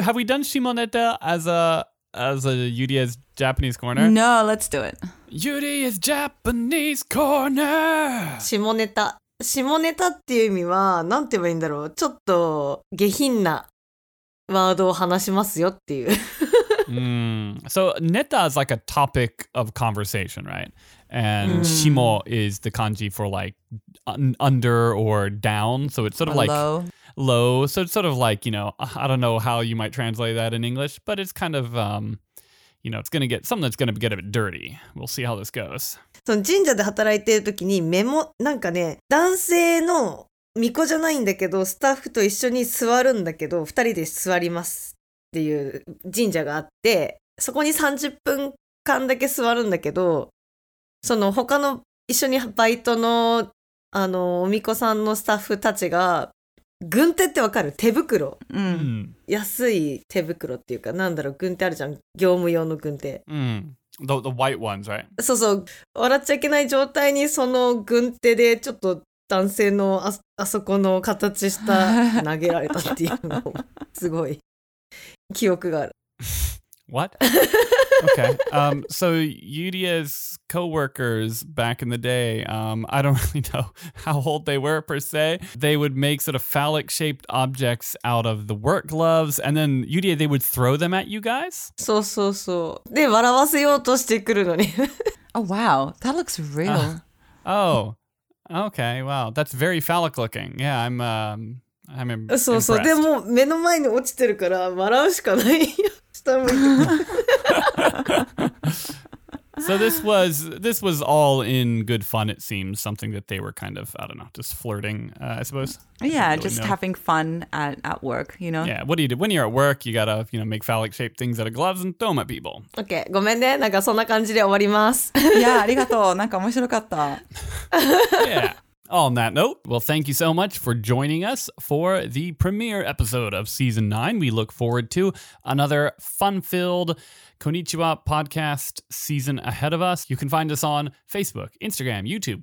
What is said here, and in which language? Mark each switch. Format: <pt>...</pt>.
<en>Have we done Shimoneta as a Yuria's Japanese corner? No, let's do it. Yuria's Japanese corner!</en> <ja>Shimoneta. Shimoneta っていう意味は、なんて言えばいいんだろう。ちょっと下品なワードを話しますよっていう。</ja> <en>So neta is like a topic of conversation, right? And shimo is the kanji for like under or down. So it's sort of like low. So it's sort of like, you know, I don't know how you might translate that in English, but it's kind of, you know, it's going to get something that's going to get a bit dirty. We'll see how this goes.</en> <ja>So 神社で働いてる時にメモなんかね、男性の巫女じゃないんだけど、スタッフと一緒に座るんだけど、二人で座ります。っていう神社があって、そこに30分間だけ座るんだけど、その他の一緒にバイトの、あの、おみこさんのスタッフたちが、軍手ってわかる？手袋。安い手袋っていうか、なんだろう、軍手あるじゃん。業務用の軍手。</ja> <en>The white ones, right?</en> <ja>そうそう。笑っちゃいけない状態に、その軍手でちょっと男性のあそこの形下投げられたっていうのすごい。記憶がある。</ja> <en>What? Okay. So Yuria's co-workers back in the day, I don't really know how old they were per se. They would make sort of phallic-shaped objects out of the work gloves, and then Yuria, they would throw them at you guys?</en> <ja>そうそうそう。で、笑わせようとしてくるのに。</ja> <en>Oh, wow. That looks real. Oh, okay. Wow. That's very phallic looking. Yeah, I'm impressed.</en> <ja>そうそう。でも、目の前に落ちてるから笑うしかないよ。下向いて。</ja> <en>So this was all in good fun, it seems. Something that they were kind of, I don't know, just flirting, I suppose. Yeah, I really just know. Having fun at work, you know? Yeah, what do you do? When you're at work, you gotta, you know, make phallic-shaped things out of gloves and throw them at people.</en> <ja>Okay, ごめんね。なんかそんな感じで終わります。 Yeah, ありがとう。なんか面白かった。</ja> <en>Yeah. On that note, well, thank you so much for joining us for the premiere episode of Season 9. We look forward to another fun-filled Konnichiwa podcast season ahead of us. You can find us on Facebook, Instagram, YouTube.</en>